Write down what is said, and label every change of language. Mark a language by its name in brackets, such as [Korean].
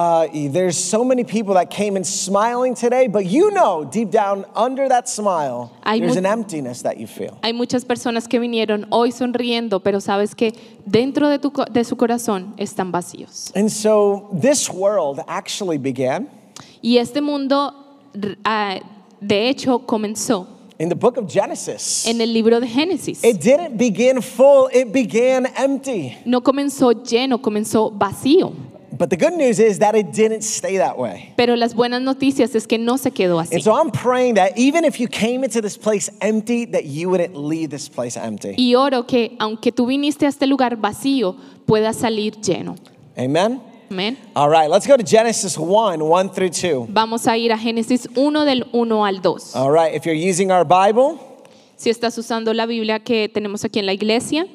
[English] There's so many people that came in smiling today, but you know deep down under that smile, there's an emptiness that you feel. [Spanish] Hay muchas personas que vinieron hoy sonriendo, pero sabes que dentro de su corazón están vacíos. [English] And so this world actually began. [Spanish] Y este mundo de hecho comenzó [English] In the book of Genesis. [Spanish] En el libro de Génesis. [English] It didn't begin full, it began empty. [Spanish] No comenzó lleno, comenzó vacío. [English] But the good news is that it didn't stay that way. [Spanish] Pero las buenas noticias es que no se quedó así. [English] And so I'm praying that even if you came into this place empty, that you wouldn't leave this place empty. [Spanish] Y oro que aunque tú viniste a este lugar vacío, puedas salir lleno. [English] Amen. [Spanish] Amen. [English] All right, let's go to Genesis 1, 1 through 2. [Spanish] Vamos a ir a Génesis 1 del 1 al 2. [English] All right, if you're using our Bible. [Spanish] Si estás usando la Biblia que tenemos aquí en la iglesia.